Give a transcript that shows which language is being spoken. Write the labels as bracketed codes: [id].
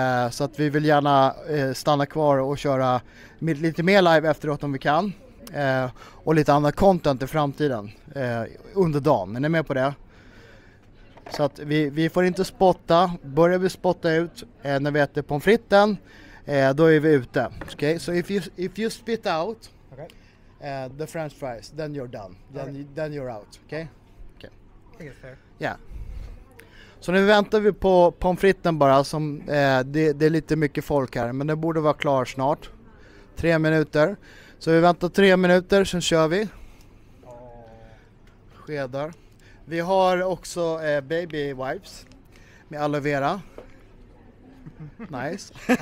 [sv] Så att vi vill gärna stanna kvar och köra lite mer live efteråt om vi kan. Och lite annat content i framtiden. Under dagen. Är ni med på det? Så att vi får inte spotta. Börjar vi spotta ut när vi äter pommes fritesen, då är vi ute. [en] Okay? So if you spit out the french fries, then you're done. Then you're out. Okay? Okay. I guess fair. [sv] Yeah. Så nu väntar vi på pommes fritesen bara. Det är lite mycket folk här, men det borde vara klar snart. 3 minuter. Så vi väntar 3 minuter, sen kör vi. Skedar. Vi har också baby wipes med aloe vera. Nice.